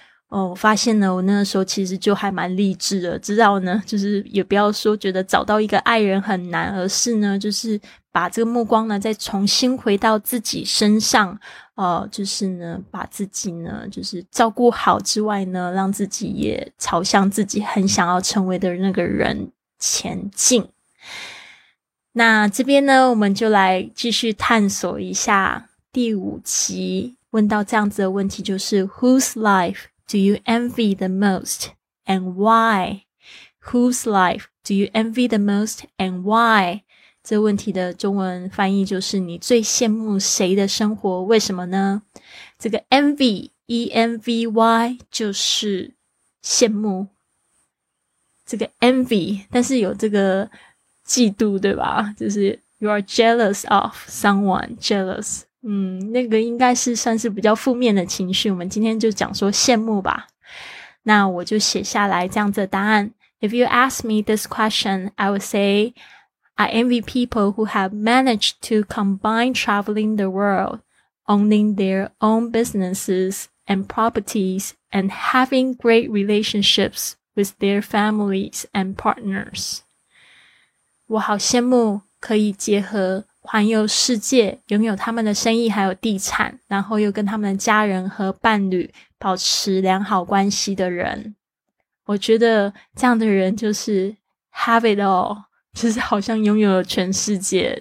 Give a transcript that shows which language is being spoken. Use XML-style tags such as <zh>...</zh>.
<zh>哦，我发现呢，我那个时候其实就还蛮励志的，知道呢，就是也不要说觉得找到一个爱人很难，而是呢，就是把这个目光呢再重新回到自己身上，就是呢把自己呢就是照顾好之外呢，让自己也朝向自己很想要成为的那个人前进。那这边呢我们就来继续探索一下第五集问到这样子的问题，就是</zh> <en>Whose life do you envy the most and why? Whose life do you envy the most and why?</en> <zh>这问题的中文翻译就是你最羡慕谁的生活，为什么呢？这个 envy, E-N-V-Y 就是羡慕。这个 envy, 但是有这个嫉妒，对吧？就是</zh> <en>you are jealous of someone, jealous。</en> <zh>那个应该是算是比较负面的情绪，我们今天就讲说羡慕吧。那我就写下来这样子的答案。</zh> <en>If you ask me this question, I would say, I envy people who have managed to combine traveling the world, owning their own businesses and properties, and having great relationships with their families and partners.</en> <zh>我好羡慕可以结合环游世界，拥有他们的生意还有地产，然后又跟他们的家人和伴侣保持良好关系的人。我觉得这样的人就是</zh> <en>have it all,</en> <zh>就是好像拥有了全世界。</zh>